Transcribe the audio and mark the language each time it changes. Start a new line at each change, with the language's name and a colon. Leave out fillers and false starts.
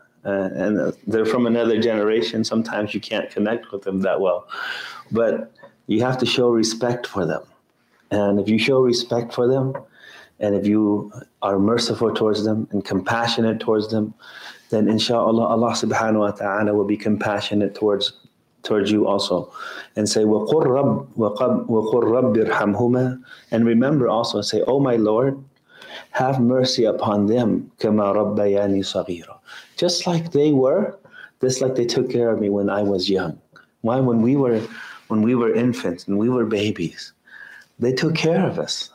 English: And they're from another generation. Sometimes you can't connect with them that well. But you have to show respect for them. And if you show respect for them, and if you are merciful towards them and compassionate towards them, then inshallah, Allah subhanahu wa ta'ala will be compassionate towards you also. And say,
Arabic: وَقُرْ رَبِّ ارْحَمْهُمَا.
English: And remember also, say, oh my Lord, have mercy upon them,
Arabic: كَمَا رَبَّيَانِي صَغِيرًا.
English: Just like they were, just like they took care of me when I was young. Why? When we were infants and we were babies, they took care of us.